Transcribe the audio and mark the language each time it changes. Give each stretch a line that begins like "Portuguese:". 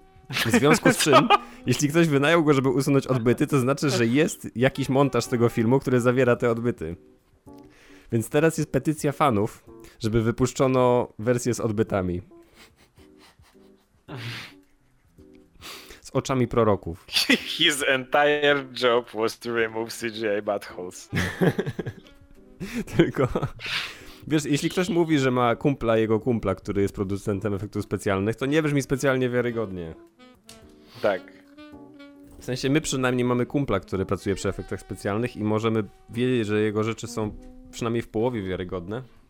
Polish: W związku z czym, jeśli ktoś wynajął go, żeby usunąć odbyty, to znaczy, że jest jakiś montaż tego filmu, który zawiera te odbyty. Więc teraz jest petycja fanów, żeby wypuszczono wersję z odbytami. Z oczami proroków.
English: His entire job was to remove CGI buttholes.
Polish: Tylko... Wiesz, jeśli ktoś mówi, że ma kumpla jego kumpla, który jest producentem efektów specjalnych, to nie brzmi specjalnie wiarygodnie. Tak. W sensie my przynajmniej mamy kumpla, który pracuje przy efektach specjalnych i możemy wiedzieć, że jego rzeczy są przynajmniej w połowie wiarygodne.